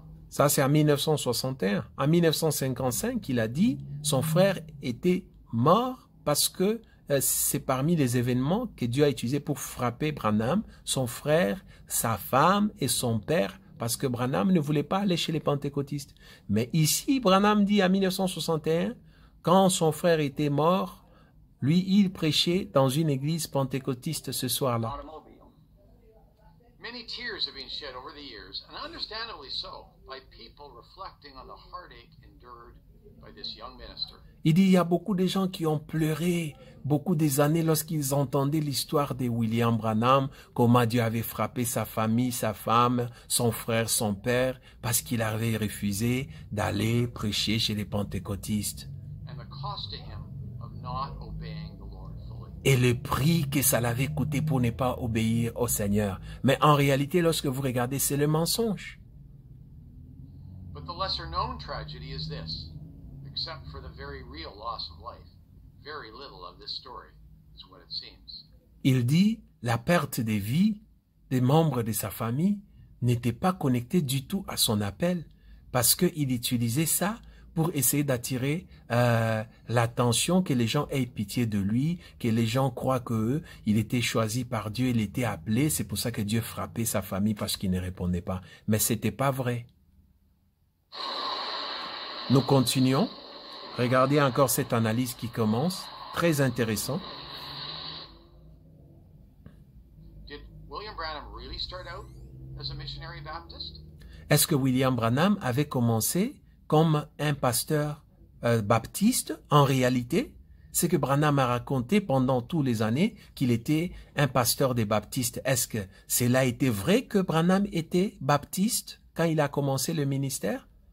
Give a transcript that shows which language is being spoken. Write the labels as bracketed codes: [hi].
[fr] Ça c'est en 1961. En 1955, il a dit son frère était mort parce que c'est parmi les événements que Dieu a utilisé pour frapper Branham, son frère, sa femme et son père, parce que Branham ne voulait pas aller chez les pentecôtistes. Mais ici, Branham dit en 1961, quand son frère était mort, lui, il prêchait dans une église pentecôtiste ce soir-là. [en] Many tears have been shed over the years, and understandably so, by people reflecting on the heartache endured by this young minister. [fr] Il dit, il y a beaucoup de gens qui ont pleuré beaucoup des années lorsqu'ils entendaient l'histoire de William Branham, comment Dieu avait frappé sa famille, sa femme, son frère, son père, parce qu'il avait refusé d'aller prêcher chez les pentecôtistes. [en] And the cost to him of not obeying. [fr] Et le prix que ça l'avait coûté pour ne pas obéir au Seigneur. Mais en réalité, lorsque vous regardez, c'est le mensonge. [en] But the lesser known tragedy is this. Except for the very real loss of life, very little of this story is what it seems. [fr] Il dit, la perte des vies des membres de sa famille n'était pas connectée du tout à son appel, parce qu'il utilisait ça pour essayer d'attirer l'attention, que les gens aient pitié de lui, que les gens croient qu'il était choisi par Dieu, il était appelé, c'est pour ça que Dieu frappait sa famille parce qu'il ne répondait pas. Mais ce n'était pas vrai. Nous continuons. Regardez encore cette analyse qui commence. Très intéressant. [en] Did William Branham really start out as a missionary Baptist? [fr] Est-ce que William Branham avait commencé comme un pasteur baptiste, en réalité, ce que Branham a raconté pendant toutes les années qu'il était un pasteur des baptistes. Est-ce que cela était vrai que Branham était baptiste quand il a commencé le ministère?